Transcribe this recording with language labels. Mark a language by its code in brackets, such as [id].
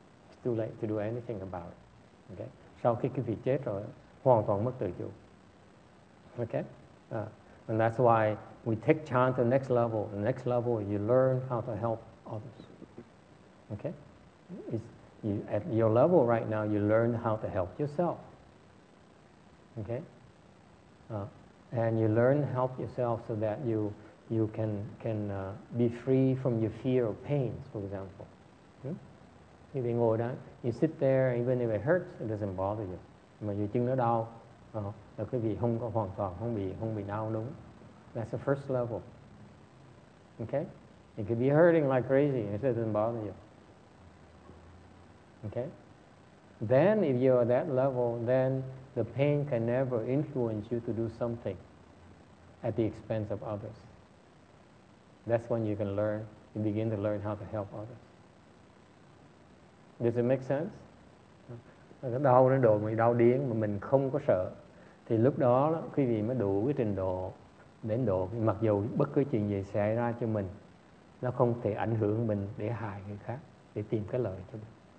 [en] It's too late to do anything about it. Okay. [vi] Sau khi cái vị chết rồi, hoàn toàn mất tự chủ. [en] Okay. And that's why we take chan to the next level. The next level, you learn how to help others. Okay. At your level right now, you learn how to help yourself. Okay. And you learn to help yourself so that you can be free from your fear of pains, for example. [vi] Khi bị ngồi đó, [en] you sit there, even if it hurts, it doesn't bother you. [vi] Mà dù chân nó đau, là quý vị không có hoàn toàn, không bị đau đúng. [en] That's the first level. Okay? It could be hurting like crazy, it doesn't bother you. Okay? Then, if you're at that level, then the pain can never influence you to do something at the expense of others. That's when you can learn, you begin to learn how to help others. Does it make sense? [vi] Đau đến độ mình đau điên mà mình không có sợ, thì lúc đó quý vị mới đủ cái trình độ đến độ mặc dù bất cứ chuyện gì xảy ra cho mình, nó không thể ảnh hưởng mình để hại người khác, để tìm cái lợi cho mình.